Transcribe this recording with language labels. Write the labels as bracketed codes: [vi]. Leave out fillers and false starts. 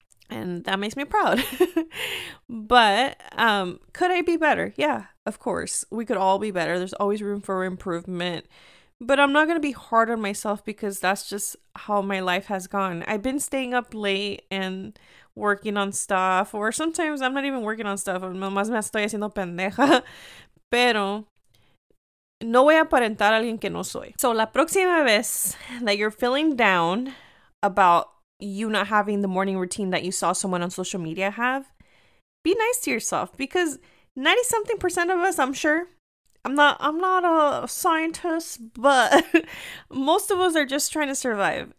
[en] And that makes me proud. But could I be better? Yeah, of course. We could all be better. There's always room for improvement. But I'm not going to be hard on myself, because that's just how my life has gone. I've been staying up late and working on stuff. Or sometimes I'm not even working on stuff. [es] Más me estoy haciendo pendeja. Pero no voy a aparentar a alguien que no soy. [en] So [es] la próxima vez [en] that you're feeling down about you not having the morning routine that you saw someone on social media have, be nice to yourself, because 90-something percent of us, I'm sure, I'm not a scientist, but most of us are just trying to survive.